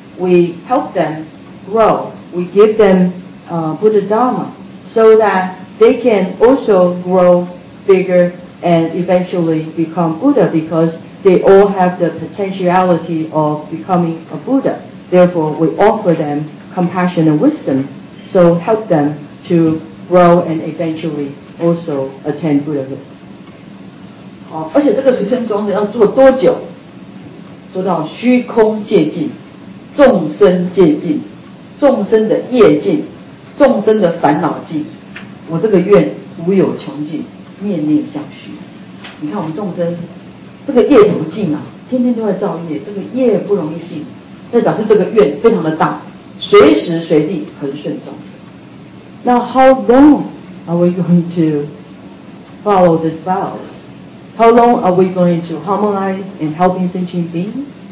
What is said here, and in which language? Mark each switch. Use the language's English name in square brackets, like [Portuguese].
[English] We help them grow. We give them Buddha Dhamma so that they can also grow biggerand eventually become Buddha, because they all have the potentiality of becoming a Buddha. Therefore, we offer them compassion and wisdom, so help them to grow and eventually also attain Buddhahood. [Chinese] 好，而且这个随顺众生要做多久？做到虚空界尽、众生界尽、众生的业尽、众生的烦恼尽，我这个愿无有穷尽。念念相续，你看我们众生这个业怎么尽啊，天天都在造业，这个业不容易尽，那表示这个愿非常的大，随时随地恒顺众生。 [English] Now how long are we going to follow this vow? How long are we going to harmonize and helping sentient beings?